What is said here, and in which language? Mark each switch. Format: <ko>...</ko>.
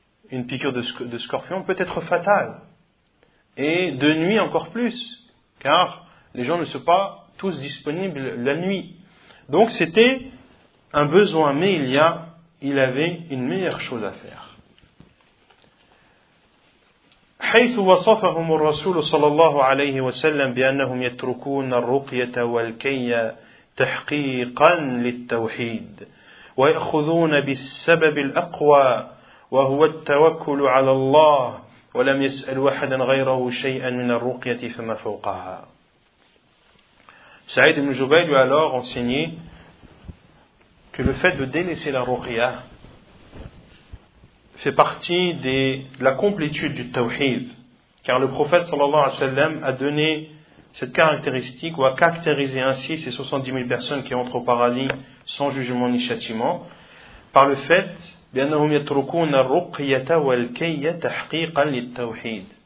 <fr>Une piqûre de scorpion peut être fatale. Et de nuit encore plus. Car les gens ne sont pas tous disponibles la nuit. Donc c'était un besoin. Mais il avait une meilleure chose à faire.</fr> <ar>حيث وصفهم الرسول صلى الله عليه وسلم بأنهم يتركون الرقية والكي تحقيقا للتوحيد ويأخذون بالسبب الأقوى وهو التوكل على الله ولم يسأل أحدا غيره شيئا من الرقية فما فوقها.</ar> <fr>سعيد بن جبير alors enseigné que le fait de délaisser la ruqya fait partie de la complétude du tawhid, car le prophète sallallahu alayhi wa sallam a donné cette caractéristique ou a caractérisé ainsi ces 70 000 personnes qui entrent au paradis sans jugement ni châtiment par le fait</fr> <ar>بِأَنَّهُمْ يَتْرُكُونَ الرُّقْيَةَ وَالْكَيَّ تَحْقِيقًا لِلْتَوْحِيدِ,</ar>